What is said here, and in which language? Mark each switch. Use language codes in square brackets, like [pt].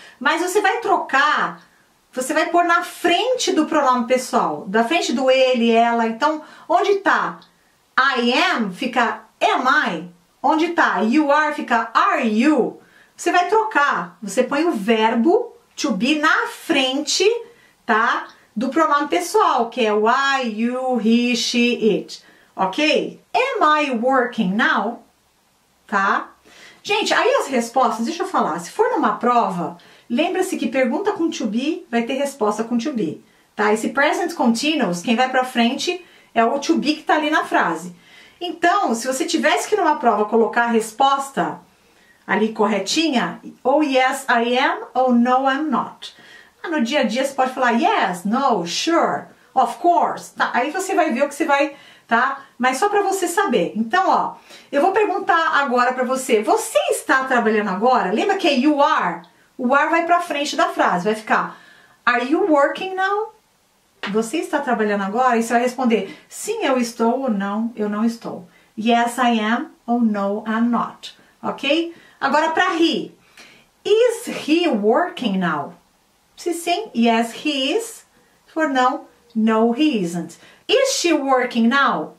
[pt] Mas você vai trocar, você vai pôr na frente do pronome pessoal, da frente do ele, ela. Então, onde tá I am, fica am I. Onde tá you are, fica are you. Você vai trocar, você põe o verbo to be na frente, tá, do pronome pessoal, que é o I, you, he, she, it. Ok? [en] Am I working now? [pt] Tá? Gente, aí as respostas, deixa eu falar. Se for numa prova, lembra-se que pergunta com to be vai ter resposta com to be. Tá? Esse present continuous, quem vai pra frente é o to be que tá ali na frase. Então, se você tivesse que numa prova colocar a resposta ali corretinha, ou [en] yes, I am, [pt] ou [en] no, I'm not. [pt] No dia a dia você pode falar [en] yes, no, sure, of course. [pt] Tá? Aí você vai ver o que você vai... Tá? Mas só para você saber. Então, ó, eu vou perguntar agora para você. Você está trabalhando agora? Lembra que é you are? O are vai para frente da frase. Vai ficar, [en] are you working now? [pt] Você está trabalhando agora? E você vai responder, sim, eu estou ou não, eu não estou. [en] Yes, I am ou no, I'm not. Ok? [pt] Agora para [en] he. Is he working now? [pt] Se sim, [en] yes, he is. For no, no, he isn't. Is she working now?